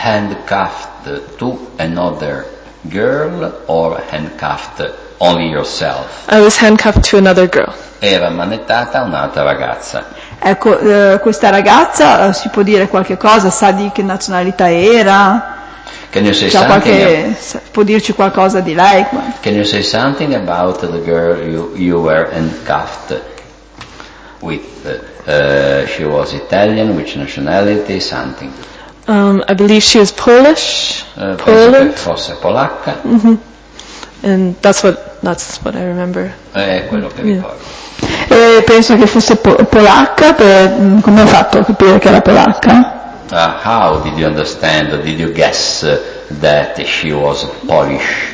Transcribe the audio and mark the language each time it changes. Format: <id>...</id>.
<en>Handcuffed to another girl or handcuffed only yourself? I was handcuffed to another girl.</en> <it>Era ammanettata un'altra ragazza. Ecco, questa ragazza, si può dire qualche cosa, sa di che nazionalità era?</it> <en>Can you say something?</en> <it>Può dirci qualcosa di lei?</it> <en>Can you say something about the girl you were handcuffed with? She was Italian. Which nationality? Something. I believe she is Polish. Poland.</en> <it>Fosse polacca.</it> <en>Mm-hmm. And that's what I remember.</en> <it>È quello che ricordo. Yeah. Penso che fosse polacca. Come ho fatto a capire che era polacca?</it> <en>How did you understand, or did you guess that she was Polish?</en>